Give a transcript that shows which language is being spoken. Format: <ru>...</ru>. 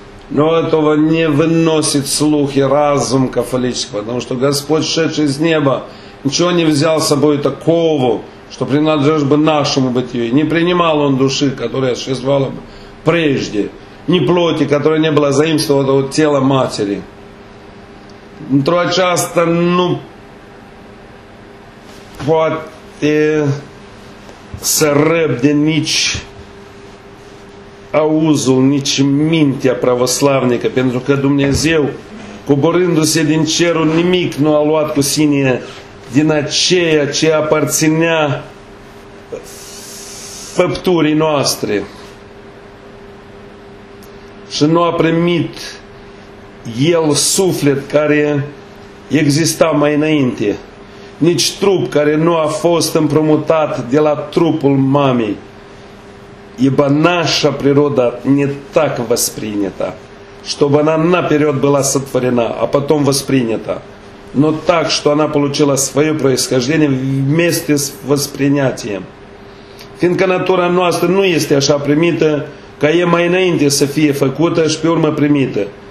<ru>Но этого не выносит слух и разум католического, потому что Господь, шедший из неба, ничего не взял с собой такого, что принадлежит бы нашему бытию. Не принимал он души, которая существовала бы прежде, ни плоти, которая не была заимствована от тела матери.</ru> <ro>Într-o aceasta nu poate să răbde nici auzul, nici mintea pravoslavnică, pentru că Dumnezeu, coborându-se din cerul, nimic nu a luat cu sine din aceea ce aparținea făpturii noastre. Și nu a primit el suflet care exista mai înainte, nici trup care nu a fost împrumutat de la trupul mamei.</ro> <ru>Ибо наша природа не так воспринята, чтобы она наперед была сотворена, а потом воспринята, но так, что она получила свое происхождение вместе с воспринятием.</ru> <ro>Фиindcă natura noastră nu este așa primită, ca e mai înainte să fie făcută și pe urmă primită,</ro>